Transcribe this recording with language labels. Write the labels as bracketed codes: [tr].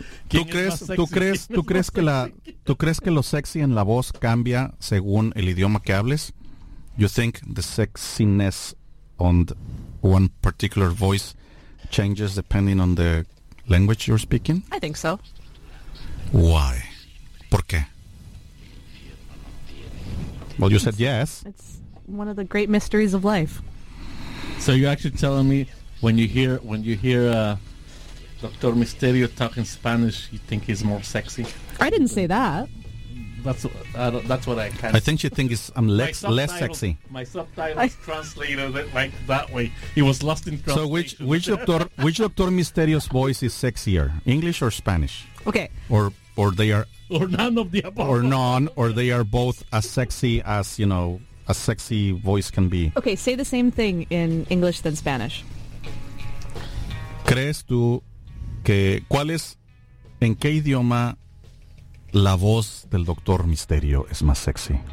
[es] ¿Tú crees que lo sexy en la voz cambia según el idioma que hables? [en] You think the sexiness on one particular voice changes depending on the language you're speaking? I think so. Why? [es] ¿Por qué? [en] Well, you said yes. It's one of the great mysteries of life. So you're actually telling me when you hear Dr. Misterio talking Spanish, you think he's more sexy? I didn't say that. That's what I kind of... I think you think I'm less sexy. My subtitles translated it like that way. He was lost in translation. So which Dr. Misterio's voice is sexier, English or Spanish? Okay. Or they are... Or none of the above. Or none, or they are both as sexy as, you know... A sexy voice can be. Okay, say the same thing in English than Spanish. [es] ¿Crees tú que cuál es, en qué idioma la voz del Doctor Misterio es más sexy?